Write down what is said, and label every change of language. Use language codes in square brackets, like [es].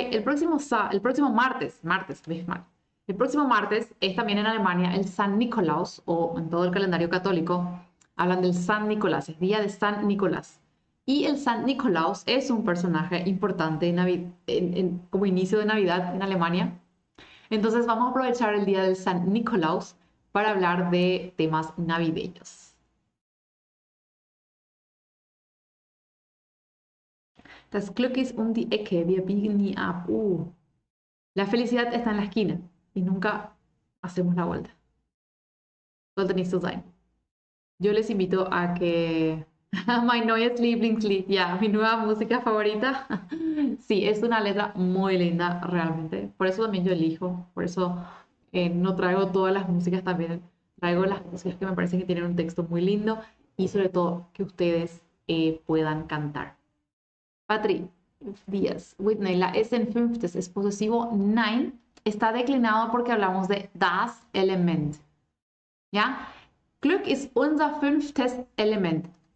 [es] El próximo martes, misma. El próximo martes es también en Alemania el San Nicolás, o en todo el calendario católico, hablan del San Nicolás, es día de San Nicolás. Y el San Nicolás es un personaje importante como inicio de Navidad en Alemania. Entonces vamos a aprovechar el día del San Nicolás para hablar de temas navideños. [de] Das Glück ist um die Ecke, wir biegen nie ab. [es] La felicidad está en la esquina y nunca hacemos la vuelta. [de] Sollte nicht so sein. [es] Yo les invito a que [de] My neues Lieblingslied, [es] ya, mi nueva música favorita. Sí, es una letra muy linda, realmente. Por eso también yo elijo, por eso no traigo todas las músicas también. Traigo las músicas que me parecen que tienen un texto muy lindo y sobre todo que ustedes puedan cantar. Patri Díaz, Whitney, la S en fünftes, es posesivo, nein, está declinado porque hablamos de das Element. ¿Ya? [de] Glück ist unser fünftes Element.